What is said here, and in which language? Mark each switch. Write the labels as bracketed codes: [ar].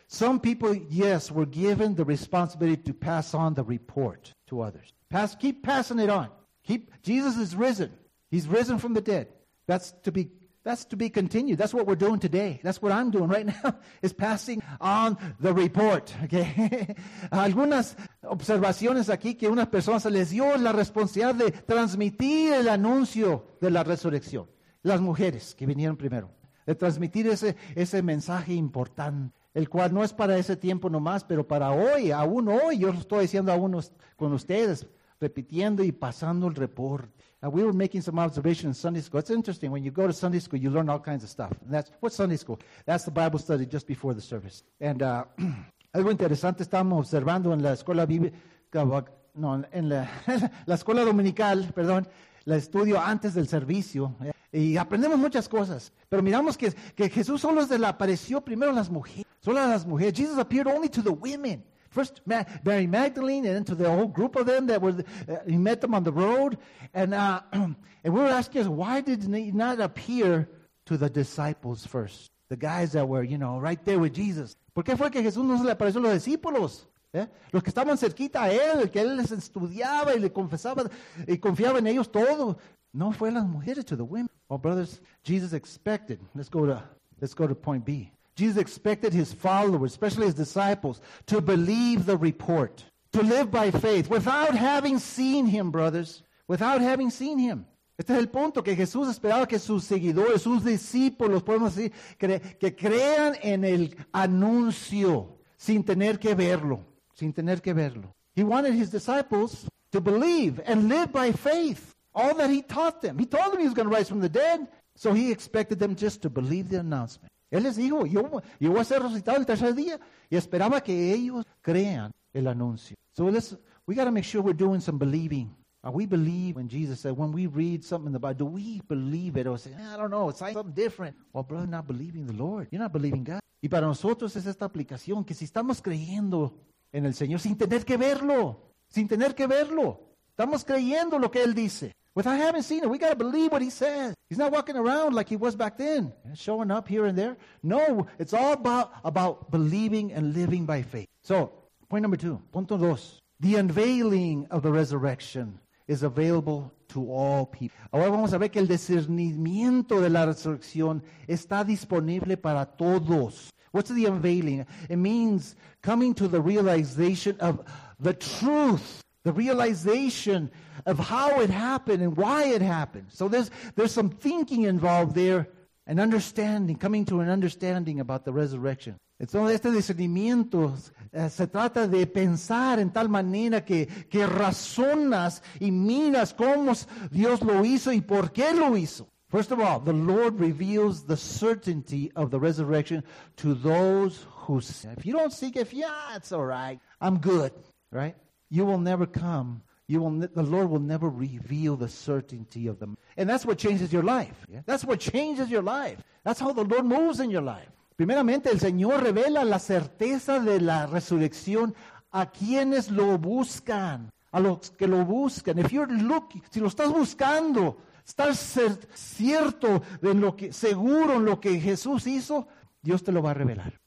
[en] Some people, yes, were given the responsibility to pass on the report to others. Keep passing it on. Jesus is risen. He's risen from the dead. That's to be continued. That's what we're doing today. That's what I'm doing right now, is passing on the report. Okay. [es] Algunas observaciones aquí que unas personas les dio la responsabilidad de transmitir el anuncio de la resurrección. Las mujeres que vinieron primero. De transmitir ese mensaje importante, el cual no es para ese tiempo nomás, pero para hoy, aún hoy, yo lo estoy diciendo aún con ustedes, repitiendo y pasando el reporte. [en] We were making some observations in Sunday school. It's interesting, when you go to Sunday school, you learn all kinds of stuff. And what's Sunday school? That's the Bible study just before the service. [es] And algo interesante, estamos observando en la escuela bíblica, no, en la escuela dominical, perdón, la estudio antes del servicio, y aprendemos muchas cosas, pero miramos que Jesús solo se le apareció primero a las mujeres, solo a las mujeres. [en] Jesus appeared only to the women. First Mary Magdalene, and then to the whole group of them that were, he met them on the road. And we were asking, why did he not appear to the disciples first? The guys that were, you know, right there with Jesus. [es] ¿Por qué fue que Jesús no se le apareció a los discípulos? ¿Eh? Los que estaban cerquita a él, que él les estudiaba y le confesaba y confiaba en ellos todo. No fue las mujeres, [en] to the women. Well, brothers, Jesus expected. Let's go to point B. Jesus expected his followers, especially his disciples, to believe the report, to live by faith, without having seen him, brothers, without having seen him. Este es el punto que Jesús esperaba que sus seguidores, sus discípulos, podemos decir, que crean en el anuncio sin tener que verlo, sin tener que verlo. He wanted his disciples to believe and live by faith. All that he taught them. He told them he was going to rise from the dead. So he expected them just to believe the announcement. Él les dijo, yo voy a ser resucitado el tercer día. Y esperaba que ellos crean el anuncio. So we got to make sure we're doing some believing. We believe when Jesus said, when we read something in the Bible, do we believe it? Or say, I don't know, it's like something different. Well, brother, not believing the Lord. You're not believing God. [es] Y para nosotros es esta aplicación, que si estamos creyendo en el Señor sin tener que verlo, sin tener que verlo, estamos creyendo lo que Él dice. [en] Without having seen it, we got to believe what he says. He's not walking around like he was back then, showing up here and there. No, it's all about believing and living by faith. So, point number two. [es] Punto dos. [en] The unveiling of the resurrection is available to all people. [es] Ahora vamos a ver que el discernimiento de la resurrección está disponible para todos. [en] What's the unveiling? It means coming to the realization of the truth. The realization of how it happened and why it happened. So there's some thinking involved there, an understanding, coming to an understanding about the resurrection. [es] Entonces, este discernimiento se trata de pensar en tal manera que razonas y miras cómo Dios lo hizo y por qué lo hizo. [en] First of all, the Lord reveals the certainty of the resurrection to those who say, if you don't seek it, yeah, it's all right. I'm good, right? You will never come. The Lord will never reveal the certainty of them. And that's what changes your life. Yeah. That's what changes your life. That's how the Lord moves in your life. [es] Primeramente, el Señor revela la certeza de la resurrección a quienes lo buscan. A los que lo buscan. [en] If you're looking, [es] si lo estás buscando, estar cierto de lo que, seguro en lo que Jesús hizo, Dios te lo va a revelar.